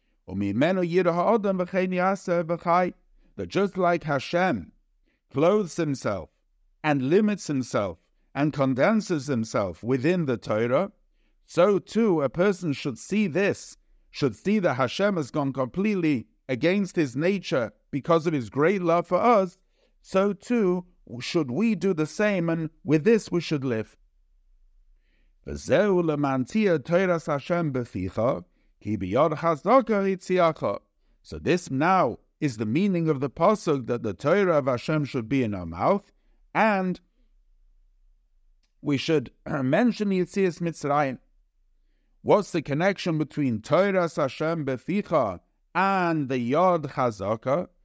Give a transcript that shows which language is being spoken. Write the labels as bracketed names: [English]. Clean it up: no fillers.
[Hebrew] וממנו ירא האדם וכן יעשה וחי. [English] That just like Hashem clothes himself and limits himself and condenses himself within the Torah, so too a person should see this, should see that Hashem has gone completely against his nature because of his great love for us, so too should we do the same, and with this we should live. [Hebrew] וזהו למנתיה תורת השם בפיך, כי ביד חזקה הציאך. [English] So this now is the meaning of the pasuk that the Torah of Hashem should be in our mouth, and we should mention Yetzias Mitzrayim. What's the connection between Torah Hashem Beficha and the Yod Chazaka?